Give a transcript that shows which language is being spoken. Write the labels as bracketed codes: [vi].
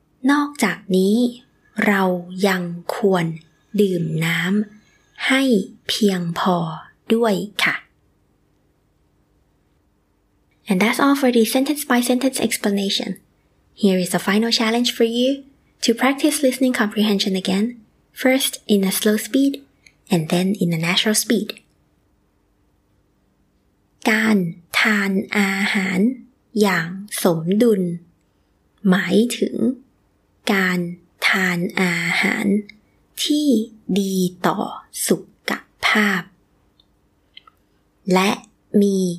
[th] นอกจากนี้เรายังควรดื่มน้ำให้เพียงพอด้วยค่ะ [en] And that's all for the sentence by sentence explanation. Here is the final challenge for you to practice listening comprehension again, first in a slow speed and then in a natural speed. [th] การทานอาหารอย่างสมดุลหมายถึงการทานอาหารที่ดีต่อสุขภาพและมี